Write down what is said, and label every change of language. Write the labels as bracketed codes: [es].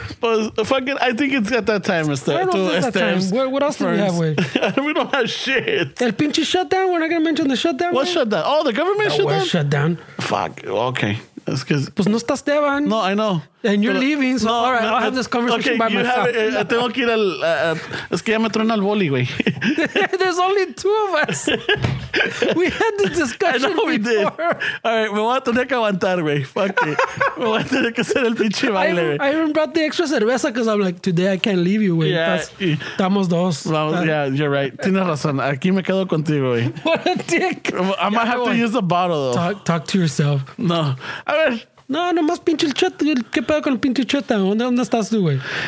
[en] But fucking, I think it's at that time, Mr. I don't know that time. What else do we have, Way? We don't have shit. [es] El pinche [en] shutdown? We're not going to mention the shutdown? What shutdown? Oh, the government shutdown? What shutdown? Fuck. Okay. That's because. [es] Pues no está Esteban. [en] No, I know. And you're leaving, so no, all right, no, I'll have this conversation okay, by myself. [es] Tengo que ir al. Es que ya me truena el boli, güey. [en] There's only two of us. We had this discussion. I know before. We did. All right, [es] me voy a tener que aguantar, güey. [en] Fuck it. [es] Me voy a tener que hacer el pinche baile, güey. [en] I even brought the extra cerveza because I'm like, today I can't leave you, güey. Yeah, [es] estamos dos. Vamos, [en] yeah, you're right. [es] Tienes razón. Aquí me quedo contigo, güey. [en] What a dick. I might have to use the bottle, though. Talk to yourself. [es] No. A ver. No, nomás pinche el chat. ¿Qué pedo con el pinche chat? ¿Dónde estás tú, güey?